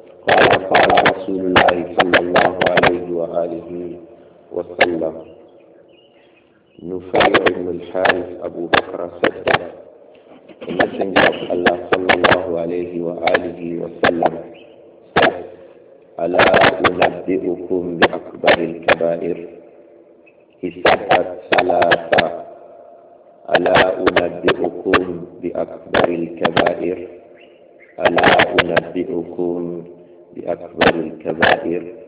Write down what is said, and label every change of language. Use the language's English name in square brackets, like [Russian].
[Arabic] قال قال رسول الله صلى الله عليه وآله وسلم. نفيع بن الحارث أبو بكر [English] said that the Messenger of Allah [Arabic] صلى الله عليه وآله وسلم [English] said, [Arabic] ألا أنبئكم بأكبر الكبائر. [English] He said that ثلاثة. [Arabic] ألا أنبئكم بأكبر الكبائر. ألا أنبئكم بأكبر الكبائر.